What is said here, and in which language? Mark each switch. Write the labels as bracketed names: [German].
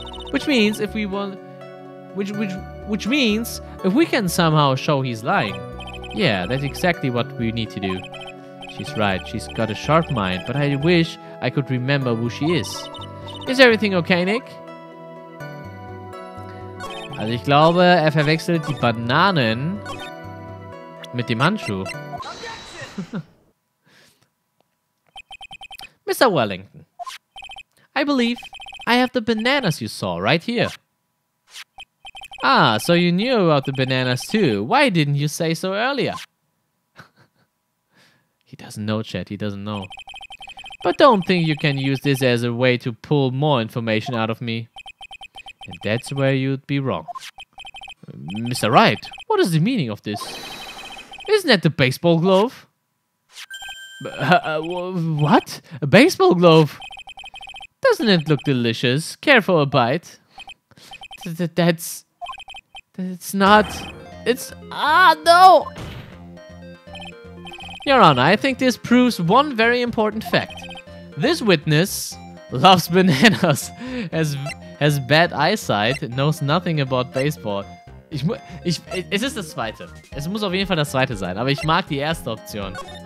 [English] Which means if we want... Which means if we can somehow show he's lying. Yeah, that's exactly what we need to do. She's right. She's got a sharp mind, but I wish I could remember who she is. Is everything okay, Nick? [German] Also, ich glaube, er verwechselt die Bananen mit dem Handschuh. [English] Mr. Wellington, I believe I have the bananas you saw right here. Ah, so you knew about the bananas too. Why didn't you say so earlier? He doesn't know, Chad. He doesn't know. But don't think you can use this as a way to pull more information out of me. And that's where you'd be wrong. Mr. Wright, what is the meaning of this? Isn't that the baseball glove? What? A baseball glove? Doesn't it look delicious? Care for a bite? It's not... It's... Ah, no! Your Honor, I think this proves one very important fact. This witness loves bananas, has bad eyesight, knows nothing about baseball. [German] Es ist das Zweite. Es muss auf jeden Fall das Zweite sein, aber ich mag die erste Option.